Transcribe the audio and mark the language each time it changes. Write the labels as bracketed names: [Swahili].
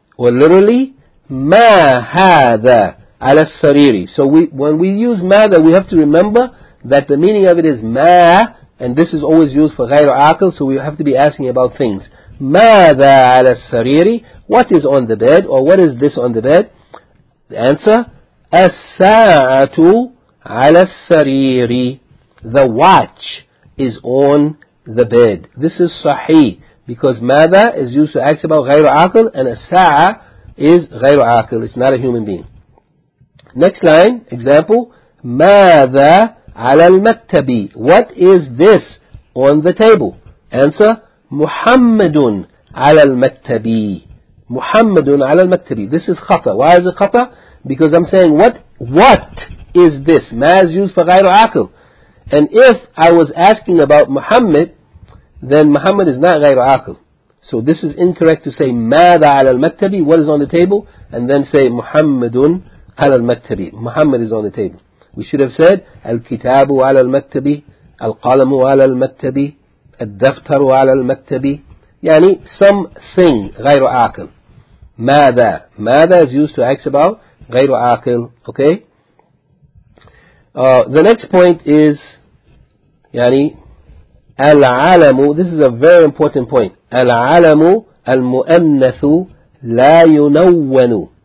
[English] Or literally, [Arabic] ما هذا على السرير. [English] So when we use ماذا, we have to remember that the meaning of it is ما, and this is always used for غير عاقل, so we have to be asking about things. [Arabic] ماذا على السرير. [English] What is on the bed? Or what is this on the bed? The answer, [Arabic] الساعة على السرير. [English] The watch is on the bed. This is صحيح, because ماذا is used to ask about غير عاقل, and الساعة is غير عاقل. It's not a human being. Next line, example, [Arabic] ماذا على المكتب. [English] What is this on the table? Answer, [Arabic] محمد على المكتب. محمد على المكتب. [English] This is [Arabic] خطأ. [English] Why is it خطأ? Because I'm saying, what is this? Ma is used for غير عاقل. And if I was asking about Muhammad, then Muhammad is not غير عاقل. So this is incorrect to say [Arabic] ماذا على المكتب, [English] what is on the table, and then say [Arabic] محمد على المكتب. [English] Muhammad is on the table. We should have said [Arabic] الكتاب على المكتب, القلم على المكتب, الدفتر على المكتب. يعني [English] something [Arabic] غير عاقل. ماذا. [English] ماذا is used to ask about غير عاقل. Okay. The next point is, yani, Al-alamu, this is a very important point. [Arabic] Al-alamu al-mu'annathu la yunawwanu.